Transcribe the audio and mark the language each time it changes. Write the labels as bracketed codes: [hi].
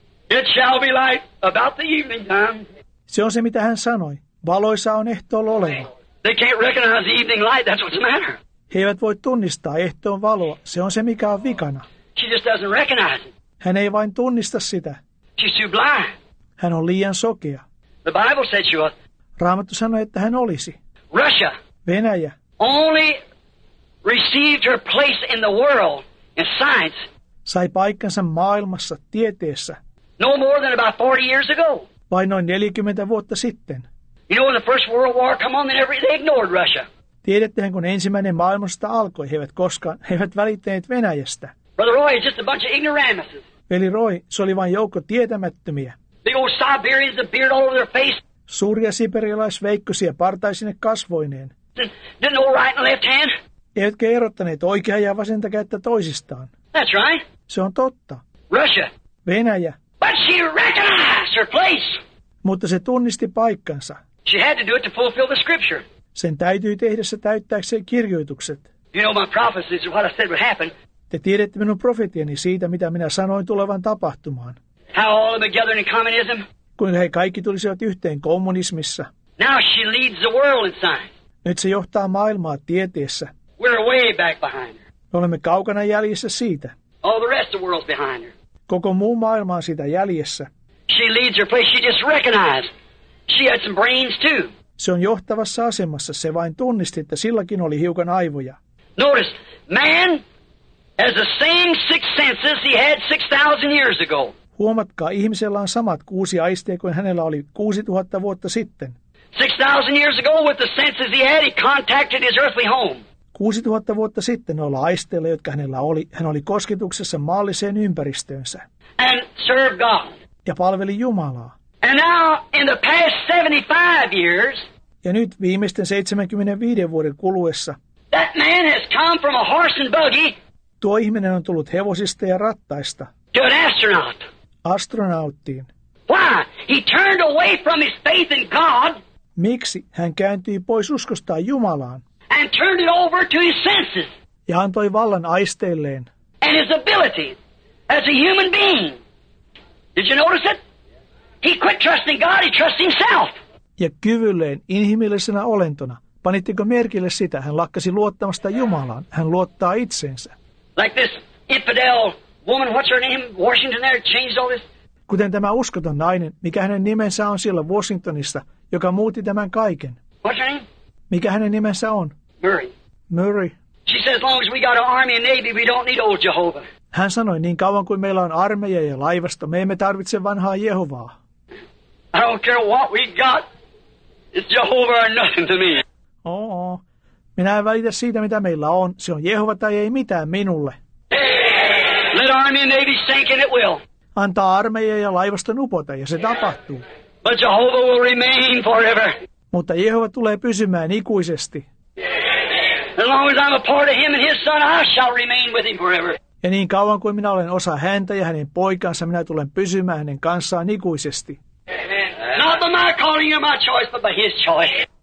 [en] It shall be light about the evening time. [fi] Se on se, mitä hän sanoi. Valoisa on ehtoolla oleva. [en] They can't recognize the evening light. That's what's the matter. [fi] He eivät voi tunnistaa ehtoon valoa. Se on se, mikä on vikana. [en] She just doesn't recognize it. [fi] Hän ei vain tunnista sitä. [en] She's too blind. [fi] Hän on liian sokea. [en] The Bible said she was. [fi] Raamattu sanoi, että hän olisi. [en] Russia. [fi] Venäjä. [en] Only received her place in the world in science. [fi] Sai paikkansa maailmassa, tieteessä. [en] No more than about 40 years ago. [fi] Vain noin 40 vuotta sitten. [en] You know, in the First World War, come on, they ignored Russia. [fi] Tiedättehän, kun ensimmäinen maailmansota alkoi, he eivät välittäneet Venäjästä. [en] Brother Roy, it's just a bunch of ignoramuses. [fi] Veli Roy, se oli vain joukko tietämättömiä. [en] The old Siberians, the beard all over their face. [fi] Suuria siberialaisveikkösiä partaisine kasvoineen. [en] Didn't know right and left hand. [fi] Eivätkö erottaneet oikeaa ja vasenta kättä toisistaan? [en] That's right. [fi] Se on totta. [en] Russia. [fi] Venäjä. [en] But she recognized her place. [fi] Mutta se tunnisti paikkansa. [en] She had to do it to fulfill the scripture. [fi] Sen täytyy tehdä se täyttääkseen kirjoitukset. [en] You know my prophecies is what I said would happen. [fi] Te tiedätte minun profetiani siitä, mitä minä sanoin tulevan tapahtumaan. [en] How all of them gathered in communism. [fi] Kuinka he kaikki tulisivat yhteen kommunismissa. [en] Now she leads the world in science. [fi] Nyt se johtaa maailmaa tieteessä. [en] We're way back behind her. [fi] Me olemme kaukana jäljessä siitä. [en] All the rest of the world's behind her. [fi] Koko muu maailma on sitä jäljessä. [en] She leads her place. She just recognized. She had some brains too. [fi] Se on johtavassa asemassa. Se vain tunnisti, että silläkin oli hiukan aivoja. [en] Notice, man has the same six senses he had 6,000 years ago. [fi] Huomatkaa, ihmisellä on samat kuusi aisteja kuin hänellä oli 6,000 vuotta sitten. [en] 6,000 years ago with the senses he had, he contacted his earthly home. [fi] 6,000 vuotta sitten noilla aisteilla, jotka hänellä oli, hän oli kosketuksessa maalliseen ympäristöönsä. [en] And serve God. [fi] Ja palveli Jumalaa. [en] And now, in the past 75 years, [fi] ja nyt viimeisten 75 vuoden kuluessa, [en] that man has come from a horse and buggy, [fi] tuo ihminen on tullut hevosista ja rattaista, [en] to an astronaut. [fi] Astronauttiin. [en] Why? He turned away from his faith in God. [fi] Miksi? Hän kääntyi pois uskostaan Jumalaan. [en] And turned it over to his senses. [fi] Ja antoi vallan aisteilleen. [en] And his ability as a human being. Did you notice it? He quit trusting God, he trusts himself. [fi] Ja kyvylleen, inhimillisenä olentona. Panitteko merkille sitä? Hän lakkasi luottamasta Jumalaan. Hän luottaa itseensä. [en] Like this infidel woman, what's her name? Washington there changed all this. [fi] Kuten tämä uskoton nainen, mikä hänen nimensä on siellä Washingtonissa, joka muutti tämän kaiken. [en] What's her name? [fi] Mikä hänen nimensä on? [en] Murray. She says, as long as we got an army and navy, we don't need old Jehovah. [fi] Hän sanoi, niin kauan kuin meillä on armeija ja laivasto, me emme tarvitse vanhaa Jehovaa. [en] I don't care what we got. It's Jehovah or nothing to me. [fi] Minä en välitä siitä, mitä meillä on. Se on Jehova tai ei mitään minulle. [en] Let army and navy sink and it will. [fi] Antaa armeija ja laivasto upota ja se tapahtuu. [en] But Jehovah will remain forever. [fi] Mutta Jehova tulee pysymään ikuisesti. [en] As long as I'm a part of him and his son, I shall remain with him forever. [fi] Ja niin kauan kuin minä olen osa häntä ja hänen poikansa, minä tulen pysymään hänen kanssaan ikuisesti. [en] Not by my calling or my choice, but by his choice.